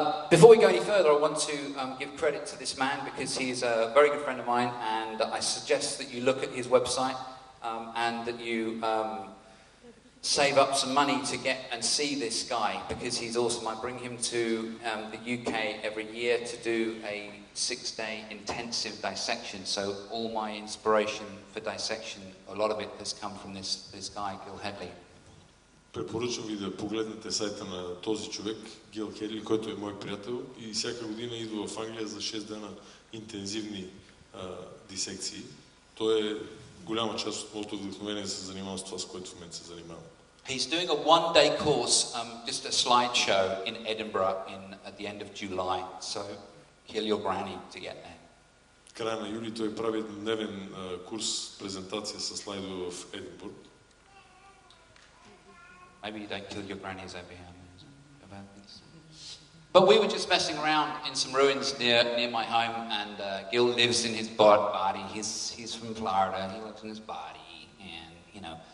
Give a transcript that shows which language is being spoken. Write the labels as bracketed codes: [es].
[en] Before we go any further, I want to give credit to this man because he's a very good friend of mine, and I suggest that you look at his website and that you save up some money to get and see this guy because he's awesome. I bring him to the UK every year to do a 6-day intensive dissection. So all my inspiration for dissection, a lot of it has come from this guy, Gil Headley. [bg] Препоръчвам ви да погледнете сайта на този човек, Гил Хедли, който е мой приятел и всяка година идва в Англия за 6 дена интензивни дисекции. Той е голяма част от моето вдъхновение да се занимавам с това, с което в момента се занимавам. [en] He's doing a one-day course, just a slideshow in Edinburgh at the end of July. So kill your granny to get there. [bg] края на юли той прави дневен курс, презентация със слайдове в Единбург. [en] Maybe you don't kill your grannies over here about this. But we were just messing around in some ruins near my home, and Gil lives in his body. He's from Florida. He lives in his body, and you know.